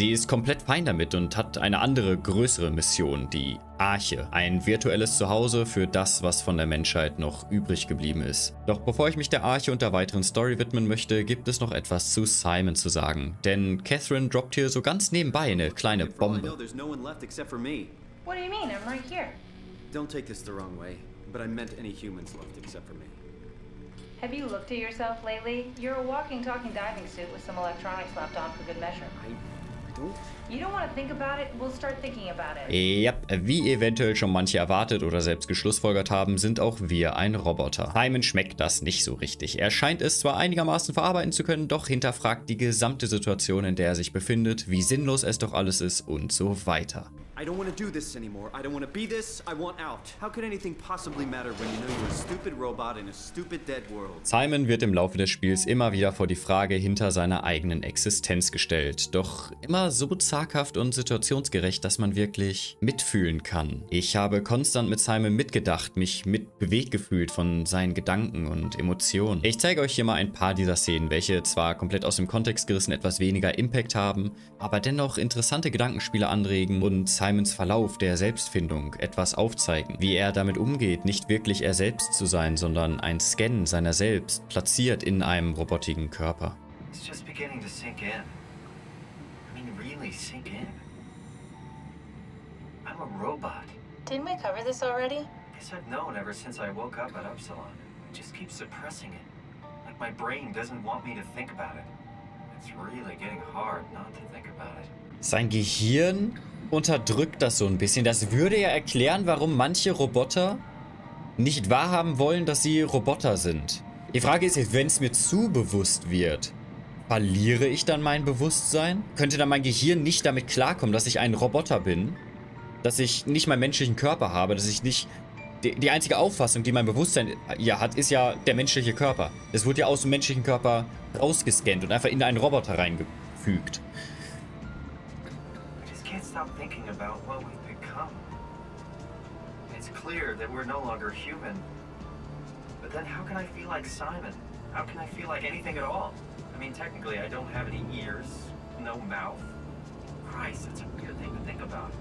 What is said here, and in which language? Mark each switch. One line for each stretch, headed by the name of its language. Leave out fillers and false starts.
German: Sie ist komplett fein damit und hat eine andere, größere Mission, die Arche. Ein virtuelles Zuhause für das, was von der Menschheit noch übrig geblieben ist. Doch bevor ich mich der Arche und der weiteren Story widmen möchte, gibt es noch etwas zu Simon zu sagen. Denn Catherine droppt hier so ganz nebenbei eine kleine Bombe.
English: What do you mean? I'm right here. Don't take this the wrong way, but I meant any humans left except for me. Have you looked at yourself lately? You're a walking, talking diving suit with some electronics left on for good measure. You don't want to think about it, we'll start thinking about it.
German: Yep, wie eventuell schon manche erwartet oder selbst geschlussfolgert haben, sind auch wir ein Roboter. Simon schmeckt das nicht so richtig. Er scheint es zwar einigermaßen verarbeiten zu können, doch hinterfragt die gesamte Situation, in der er sich befindet, wie sinnlos es doch alles ist und so weiter.
English: I don't want to do this anymore. I don't want to be this. I want out. How could anything possibly matter when you know you're a stupid robot in a stupid dead world?
German: Simon wird im Laufe des Spiels immer wieder vor die Frage hinter seiner eigenen Existenz gestellt. Doch immer so zaghaft und situationsgerecht, dass man wirklich mitfühlen kann. Ich habe konstant mit Simon mitgedacht, mich mitbewegt gefühlt von seinen Gedanken und Emotionen. Ich zeige euch hier mal ein paar dieser Szenen, welche zwar komplett aus dem Kontext gerissen etwas weniger Impact haben, aber dennoch interessante Gedankenspiele anregen und Simons Verlauf der Selbstfindung etwas aufzeigen. Wie er damit umgeht, nicht wirklich er selbst zu sein, sondern ein Scan seiner selbst, platziert in einem robotigen Körper.
English: It's just beginning to sink in. Sink in. I'm a robot. Didn't we cover this already? I guess I've known ever since I woke up at Upsilon. I just keep suppressing it. Like my brain doesn't want me to think about it. It's really getting hard not to think about it.
German: Sein Gehirn unterdrückt das so ein bisschen. Das würde ja erklären, warum manche Roboter nicht wahrhaben wollen, dass sie Roboter sind. Die Frage ist jetzt, wenn es mir zu bewusst wird, verliere ich dann mein Bewusstsein? Könnte dann mein Gehirn nicht damit klarkommen, dass ich ein Roboter bin? Dass ich nicht meinen menschlichen Körper habe? Dass ich nicht... Die einzige Auffassung, die mein Bewusstsein ja hat, ist ja der menschliche Körper. Es wurde ja aus dem menschlichen Körper rausgescannt und einfach in einen Roboter reingefügt.
English: I just can't stop thinking about what we've become. It's clear that we're no longer human. But then how can I feel like Simon? How can I feel like anything at all? I mean, technically, I don't have any ears, no mouth. Christ, that's a weird thing to think about.